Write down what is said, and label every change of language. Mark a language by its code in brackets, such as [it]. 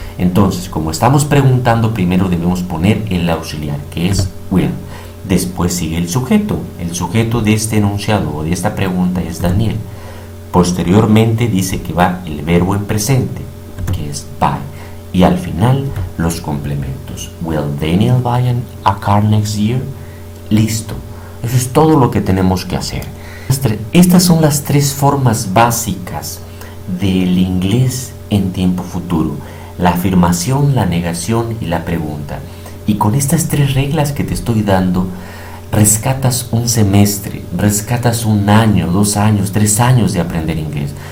[es] Entonces, como estamos preguntando, primero debemos poner el auxiliar, que es will. Después sigue el sujeto. El sujeto de este enunciado o de esta pregunta es Daniel. Posteriormente dice que va el verbo en presente, que es by. Y al final, los complementos. [en] Will Daniel buy a car next year? [es] Listo. Eso es todo lo que tenemos que hacer. Estas son las tres formas básicas del inglés en tiempo futuro. La afirmación, la negación y la pregunta. Y con estas tres reglas que te estoy dando, rescatas un semestre, rescatas un año, dos años, tres años de aprender inglés.